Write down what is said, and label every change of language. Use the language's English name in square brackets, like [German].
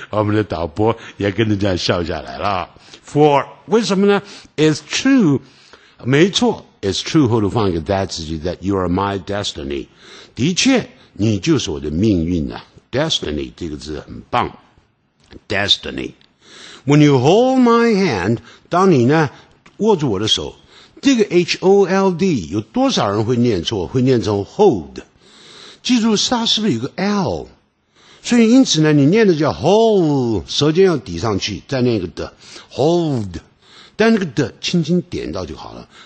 [Chinese] 我们的导播也跟着这样笑下来了。 [English] For [Chinese] 为什么呢？ [English] It's true， [Chinese] 没错， [English] It's true [Chinese] 后头放一个 that 字句， [English] That you are my destiny， [Chinese] 的确你就是我的命运啊。 Destiny 这个字很棒， Destiny。 [English] When you hold my hand， [Chinese] 当你呢握住我的手，这个 H-O-L-D 有多少人会念错，会念成 hold， 记住它是不是有个 L，所以因此呢你念的叫 hold， 舌尖要抵上去再念一个的 hold， 但那个的轻轻点到就好了。